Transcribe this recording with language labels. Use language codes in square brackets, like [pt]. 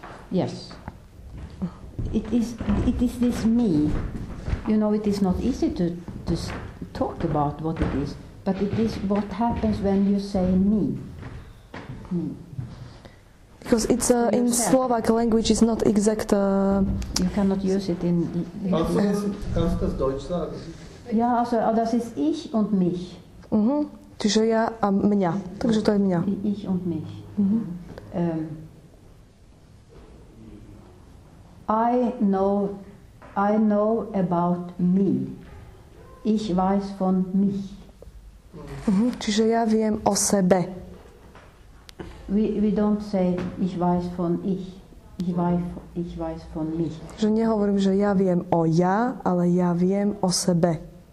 [en] Yes. It is this me. You know, it is not easy to talk about what it is, but it is what happens when you say me. Because it's in Slovak language is not exact. You cannot use it in. [de] Kannst du das Deutsch sagen? Ja, also das ist ich und mich. [sk] Mhm. Čiže ja a mňa. Takže to je mňa. [de] Ich und mich. Mhm. [en] I know about me. [de] Ich weiß von mich. [sk] Mhm. Čiže ja viem o sebe. [en] We don't say [de] ich weiß von ich. Ich weiß von mich. [sk] Čiže nehovorím, že ja viem o ja, ale ja viem o sebe.